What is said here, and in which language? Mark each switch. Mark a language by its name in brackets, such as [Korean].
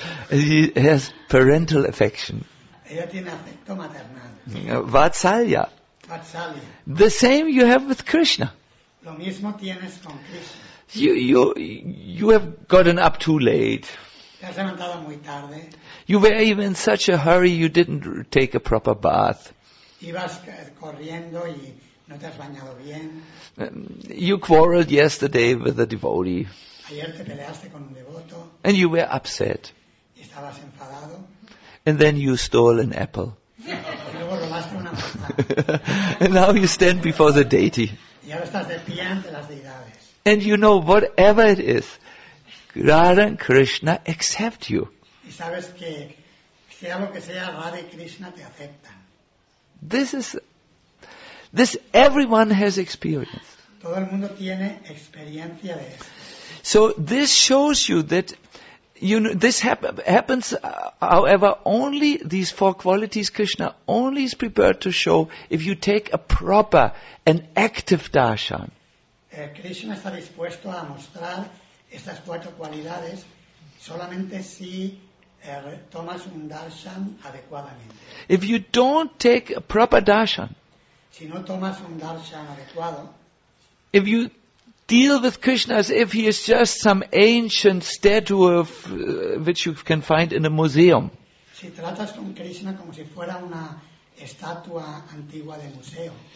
[English] She has parental affection. [Spanish] Ella tiene afecto maternal. [English] Vatsalya. [Spanish] Vatsalya. [English] The same you have with Krishna. [Spanish] Lo mismo tienes con Krishna. [English] You have gotten up too late. [Spanish] Te has levantado muy tarde. [English] You were even in such a hurry you didn't take a proper bath. [Spanish] Ibas corriendo y no te has bañado bien. [English] You quarreled yesterday with a devotee. [Spanish] Ayer te peleaste con un devoto. [English] And you were upset. [Spanish] Y estabas enfadado. [English] And then you stole an apple. [Spanish] Y luego robaste una manzana. [English] And now you stand before the deity. [Spanish] Y ahora estás de pie ante las deidades. [English] And you know, whatever it is, Radha and Krishna accept you. [Spanish] Y sabes que, sea lo que sea, Radha y Krishna te aceptan. [English] This everyone has experienced. [Spanish] Todo el mundo tiene experiencia de eso. [English] So this shows you that, you know, this happens, however, only these four qualities Krishna only is prepared to show if you take a proper and active darshan. [Spanish] Krishna está dispuesto a mostrar estas cuatro cualidades solamente si tomas un darshan adecuadamente. [English] If you don't take a proper darshan, [Spanish] si no tomas un darshan adecuado, [English] if you deal with Krishna as if he is just some ancient statue of which you can find in a museum, [Spanish] si tratas con Krishna como si fuera una estatua antigua de museo,